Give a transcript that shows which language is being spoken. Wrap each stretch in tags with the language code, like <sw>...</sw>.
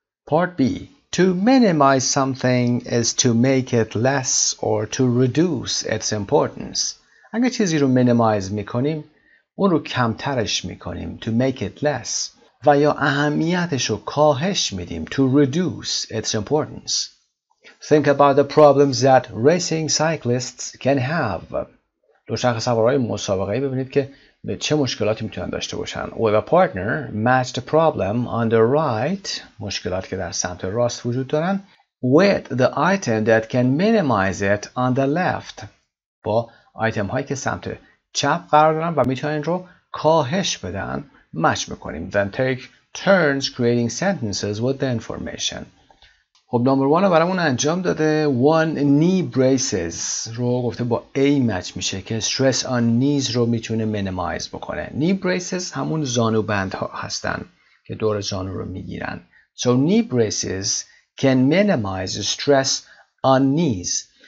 <en>Part B. To minimize something is to make it less or to reduce its importance.</en> <fa>اگه چیزی رو مینیمایز میکنیم، اون رو کمترش میکنیم،</fa> <en>to make it less،</en> <fa>و یا اهمیتش رو کاهش میدیم،</fa> <en>to reduce its importance. Think about the problems that racing cyclists can have.</en> <fa>دوچرخه سوارهای مسابقه ای ببینید که به چه مشکلاتی میتونن داشته باشن.</fa> <en>With a partner, match the problem on the right،</en> <fa>مشکلات که در سمت راست وجود دارن،</fa> <en>with the item that can minimize it on the left،</en> <fa>با آیتم هایی که سمت چپ قرار دارن و میتونن رو کاهش بدن، مچ میکنیم.</fa> <en>Then take turns creating sentences with the information.</en> <fa>خب نمبر 1 رو برامون انجام داده.</fa> <en>One knee braces</en> <fa>رو گفته با A مچ میشه که</fa> <en>stress on knees</en> <fa>رو میتونه مینیمایز بکنه. Knee braces همون زانو بند ها هستن که دور زانو رو میگیرن.</fa> <en>So knee braces can minimize stress on knees.</en>